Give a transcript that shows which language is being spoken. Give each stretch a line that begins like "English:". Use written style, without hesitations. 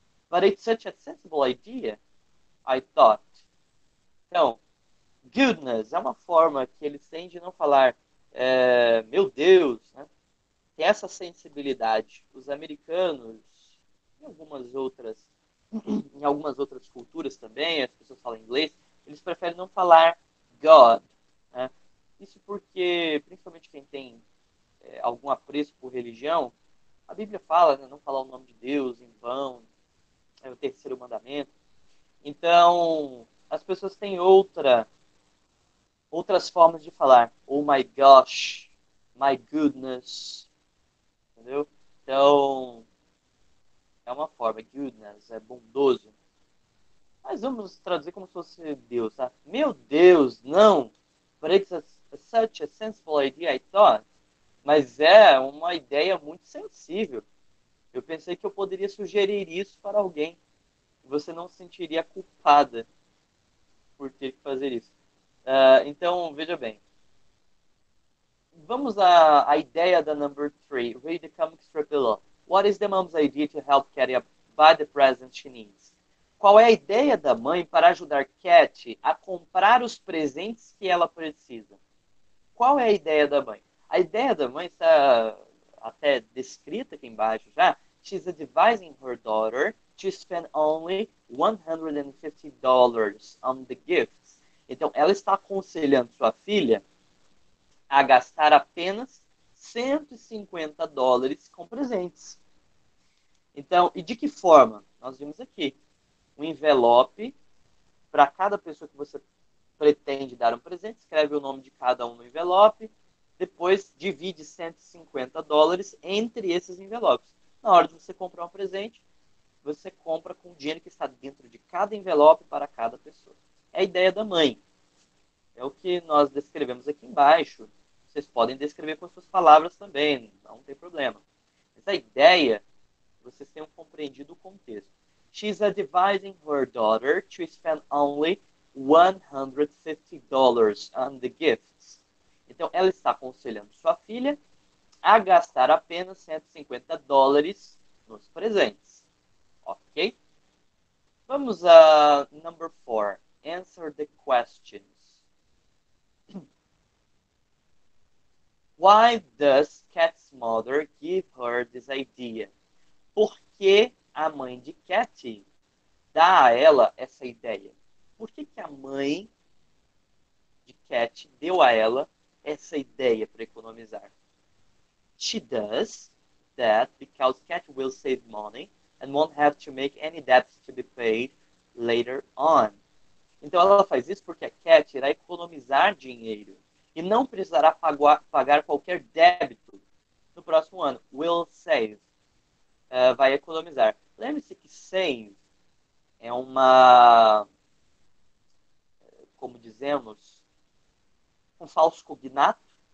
English: But it's such a sensible idea, I thought.
Portuguese: Então, goodness é uma forma que eles têm de não falar, meu Deus, né? Tem essa sensibilidade. Os americanos, em algumas outras culturas também, as pessoas falam inglês, eles preferem não falar God, né? Isso porque, principalmente quem tem algum apreço por religião, a Bíblia fala, né, não falar o nome de Deus em vão, é o terceiro mandamento. Então, as pessoas têm outras formas de falar.
English: Oh my gosh, my goodness.
Portuguese: Entendeu? Então, é uma forma. Goodness é bondoso. Mas vamos traduzir como se fosse Deus, tá? Meu Deus, não!
English: But it's such a sensible idea, I thought.
Portuguese: Mas é uma ideia muito sensível. Eu pensei que eu poderia sugerir isso para alguém. Você não se sentiria culpada por ter que fazer isso. Então, veja bem. Vamos à ideia da number 3.
English: Read the comic strip below. What is the mom's idea to help Cat buy the presents she needs?
Portuguese: Qual é a ideia da mãe para ajudar Cat a comprar os presentes que ela precisa? Qual é a ideia da mãe? A ideia da mãe está até descrita aqui embaixo já.
English: She's advising her daughter to spend only $150 on the gifts.
Portuguese: Então, ela está aconselhando sua filha a gastar apenas $150 com presentes. Então, e de que forma? Nós vimos aqui um envelope para cada pessoa que você pretende dar um presente. Escreve o nome de cada um no envelope. Depois, divide $150 entre esses envelopes. Na hora de você comprar um presente, você compra com o dinheiro que está dentro de cada envelope para cada pessoa. É a ideia da mãe. É o que nós descrevemos aqui embaixo. Vocês podem descrever com as suas palavras também, não tem problema. Mas a ideia, vocês tenham compreendido o contexto.
English: She's advising her daughter to spend only $150 on the gifts.
Portuguese: Então, ela está aconselhando sua filha a gastar apenas $150 nos presentes. Ok? Vamos a number 4.
English: Answer the questions. Why does Cat's mother give her this idea?
Portuguese: Por que a mãe de Cat dá a ela essa ideia? Por que que a mãe de Cat deu a ela essa ideia para economizar?
English: She does that because Cat will save money and won't have to make any debts to be paid later on.
Portuguese: Então ela faz isso porque a Cat irá economizar dinheiro e não precisará pagar qualquer débito no próximo ano.
English: Will save.
Portuguese: Vai economizar. Lembre-se que save é uma, como dizemos, um falso cognato.